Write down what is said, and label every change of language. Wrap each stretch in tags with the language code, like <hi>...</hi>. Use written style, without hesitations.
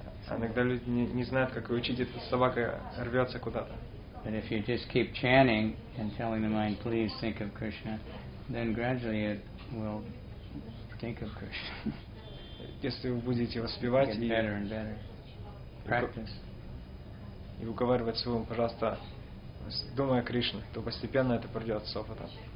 <ru>Иногда люди не знают, как учить эту собаку, рвется куда-то.</ru> <en>But if you just keep chanting and telling the mind, please think of Krishna, then gradually it will think of Krishna.</en> <ru>если вы будете воспевать и уговаривать своего, пожалуйста, думая о Кришне, то постепенно это пройдет с опытом.</ru>